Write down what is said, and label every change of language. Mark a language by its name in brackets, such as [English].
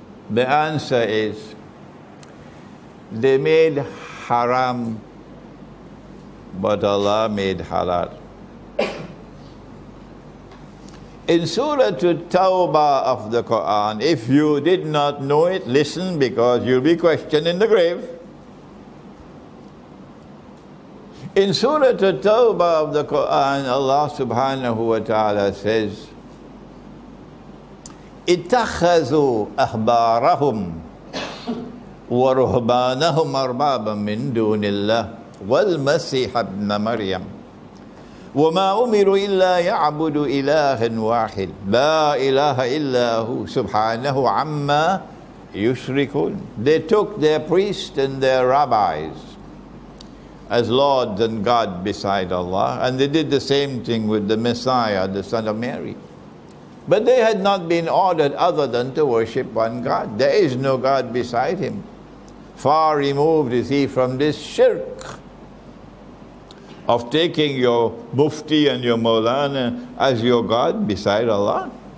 [English] The answer is, they made haram, but Allah made halal. In Surah Tawbah of the Quran, if you did not know it, listen, because you'll be questioned in the grave. In Surah Tawbah of the Quran, Allah subhanahu wa ta'ala says, [Arabic] اتخذوا أحبارهم ورهبانهم أربابا من دون الله والمسيح ابن مريم وما أمروا إلا يعبدوا إله واحد لا إله إلا هو سبحانه عما يشركون. [English] They took their priests and their rabbis as lords and God beside Allah, and they did the same thing with the Messiah, the son of Mary. But they had not been ordered other than to worship one God. There is no God beside him. Far removed is he from this shirk of taking your mufti and your maulana as your God beside Allah.